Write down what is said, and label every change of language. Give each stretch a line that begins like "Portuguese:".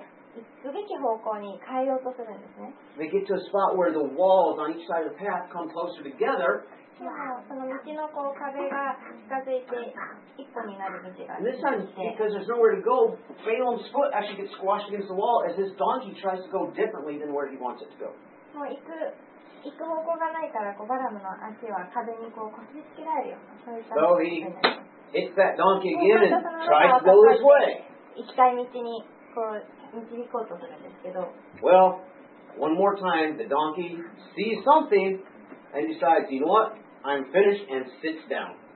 Japanese: 行くべき方向に変えようとするんですね。
English: They get to a spot where the walls on each side of the path come closer together.
Japanese: その道のこう壁が近づいて一歩になる道が。
English: This time, because there's nowhere to go, Balaam's foot actually gets squashed against the wall as this donkey tries to go differently than where he wants it to go.
Japanese: もう行く方向がないから、バラムの足は壁にこう擦りつけられるような。
English: So he hits that donkey again and tries to go this way.
Japanese: 行きたい道にこう。
English: Well, one more time, the donkey sees something and decides, you know what? I'm finished and sits down.